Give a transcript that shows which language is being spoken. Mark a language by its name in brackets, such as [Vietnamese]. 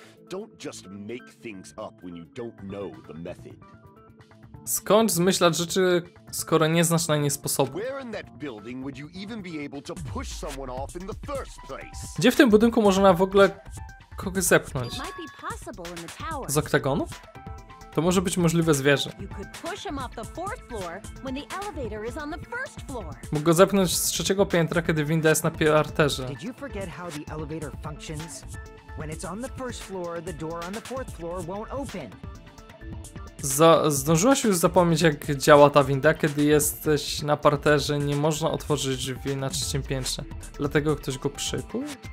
[English] Don't just make things up when you don't know the method. [Polish] Skąd zmyślać rzeczy, skoro nie znasz na nie sposobu? [English] Where in that building would you even be able to push someone off in the first place? [Polish] Gdzie w tym budynku można w ogóle kogoś zepchnąć? [English] It might be possible in the tower. [Polish] Z oktagonu? To może być możliwe z wieży. [English] You could push him off the fourth floor when the elevator is on the first floor. [Polish] Mógł go zepchnąć z trzeciego piętra, kiedy winda jest na parterze. [English] Did you forget how the elevator functions? When it's on the first floor, the door on the fourth floor won't open. [Polish] Zdążyłaś już zapomnieć, jak działa ta winda? Kiedy jesteś na parterze, nie można otworzyć drzwi na trzecim piętrze. Dlatego ktoś go przykuł?